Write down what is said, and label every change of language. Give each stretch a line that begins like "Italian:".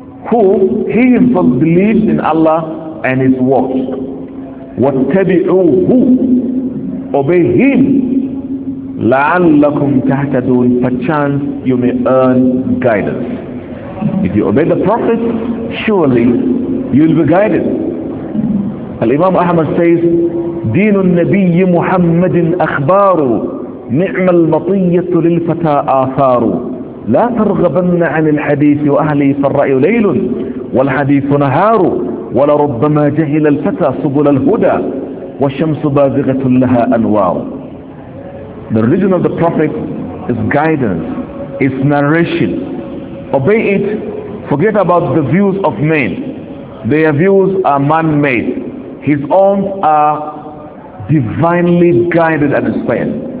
English: Who he himself believes in Allah and his words.
Arabic: وَاتَّبِعُوهُ
English: obey him.
Arabic: لَعَلَّكُمْ تَهْتَدُونَ
English: perchance you may earn guidance. If you obey the Prophet, surely you'll be guided. Al-Imam Ahmad says,
Arabic: دِينُ النَّبِيِّ مُحَمَّدٍ أَخْبَارُ نِعْمَ الْمَطِيَّةُ لِلْفَتَى آثَارُ لَا تَرْغَبَنَّ عَنِ الْحَدِيثِ وَأَهْلِي فَالرَّأِيُ لَيْلٌ وَالْحَدِيثُ نَهَارُ وَلَرُبَّمَا جَهِلَ الْفَتَى سُبُلَ الْهُدَى وَالشَّمْسُ بَازِغَةٌ لَهَا أَنْوَارُ.
English: The religion of the Prophet is guidance, is narration. Obey it, forget about the views of men. Their views are man-made. His own are divinely guided and inspired.